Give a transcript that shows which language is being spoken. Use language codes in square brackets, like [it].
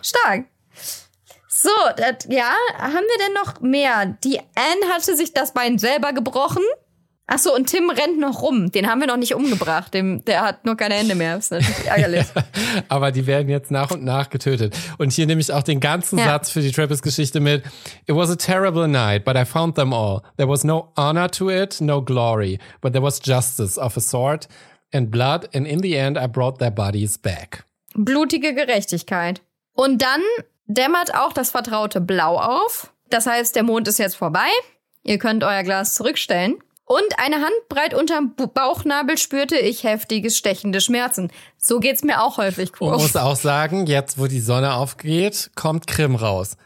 [de] Stark. So, haben wir denn noch mehr? Die Anne hatte sich das Bein selber gebrochen. Ach so, und Tim rennt noch rum. Den haben wir noch nicht umgebracht. Der hat nur keine Hände mehr. Das ist natürlich ärgerlich. Ja, aber die werden jetzt nach und nach getötet. Und hier nehme ich auch den ganzen Satz für die Trappist-Geschichte mit. [en] It was a terrible night, but I found them all. There was no honor to it, no glory. But there was justice of a sort and blood. And in the end, I brought their bodies back. [de] Blutige Gerechtigkeit. Und dann dämmert auch das vertraute Blau auf. Das heißt, der Mond ist jetzt vorbei. Ihr könnt euer Glas zurückstellen. Und eine Handbreit unterm Bauchnabel spürte ich heftige stechende Schmerzen. So geht's mir auch häufig kurz. Man muss auch sagen, jetzt wo die Sonne aufgeht, kommt Krim raus.